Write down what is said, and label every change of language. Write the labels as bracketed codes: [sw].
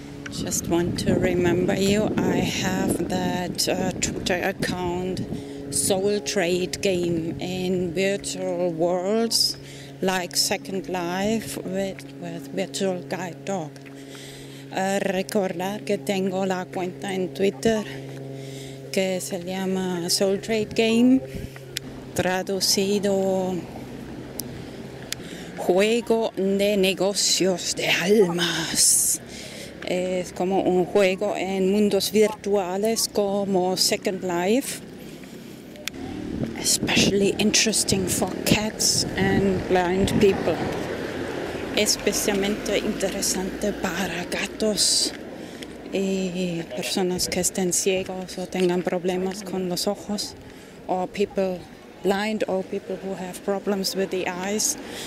[en] Just want to remember you, I have that Twitter account Soul Trade Game in virtual worlds like Second Life with Virtual Guide Dog. [es] Recordar que tengo la cuenta en Twitter que se llama Soul Trade Game. Traducido, juego de negocios de almas. Es como un juego en mundos virtuales como Second Life. [en] Especially interesting for cats and blind people. [es] Especialmente interesante para gatos y personas que estén ciegos o tengan problemas con los ojos. [en] Or people blind or people who have problems with the eyes.